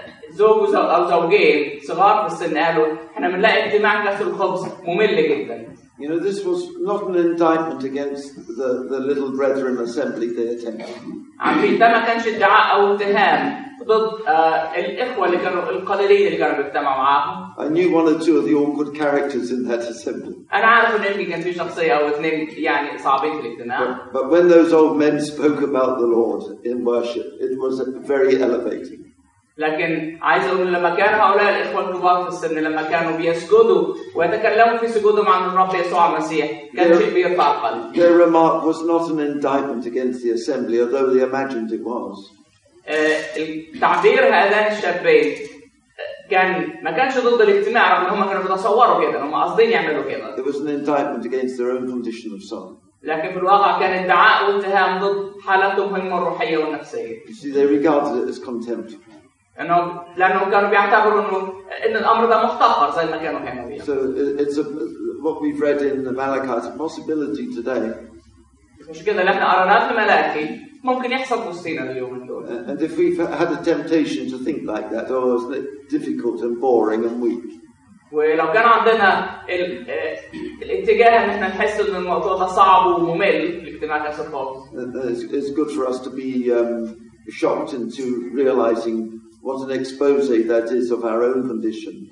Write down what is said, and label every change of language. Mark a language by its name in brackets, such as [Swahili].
[Arabic] زوج أو زوجين صغار في السن قالوا إحنا بنلاقي اجتماع كأس الخبز ممل جدا. [English] You know this was not an indictment against the little brethren assembly they attended. [Arabic] عارفين ده ما كانش ادعاء أو اتهام ضد الإخوة اللي كانوا القليلين اللي كانوا بيجتمعوا معاهم. [English] I knew one or two of the awkward characters in that assembly. [Arabic] أنا عارف إن يمكن كان في شخصية أو اثنين يعني صعبين في الاجتماع. [English] But when those old men spoke about the Lord in worship, it was very elevating. [Arabic] لكن عايز أقول لما كان هؤلاء الإخوة الكبار في السن لما كانوا بيسجدوا ويتكلموا في سجودهم عن الرب يسوع المسيح كان شيء بيرفع القلب. [English] Their remark was not an indictment against the assembly, although they imagined it was. [Arabic] التعبير هذان الشابين كان ما كانش ضد الاجتماع رغم انهم كانوا بيتصوروا كده هم قاصدين يعملوا كده. [English] It was an indictment against their own condition of soul. [Arabic] لكن في الواقع كان ادعاء واتهام ضد حالتهم الروحيه والنفسيه. [English] You see, they regarded it as contempt. [Arabic] لانه كانوا بيعتبروا ان الامر ده محتقر زي ما كانوا هيعملوا. [English] So it's what we've read in the Malachi is a possibility today. [Arabic] مش كده لما قرناه في ملاكي ممكن يحصل وسطينا اليومين دول. [English] And if we had a temptation to think like that, oh, isn't it difficult and boring and weak? [Arabic] ولو كان عندنا الاتجاه ان احنا نحس ان الموضوع ده صعب وممل الاجتماع كاس الخبز. [English] It's good for us to be shocked into realizing what an expose that is of our own condition.